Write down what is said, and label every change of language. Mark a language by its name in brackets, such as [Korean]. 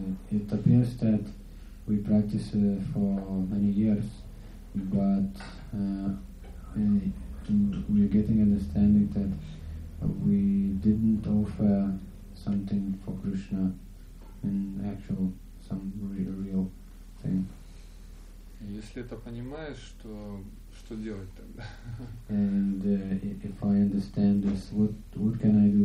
[English] It appears that we practice for many years, but we're getting understanding that we didn't offer something for Krishna in actual, some real thing. [Russian] Если это понимаешь, что что делать тогда? [English] And if I understand this, what can I do?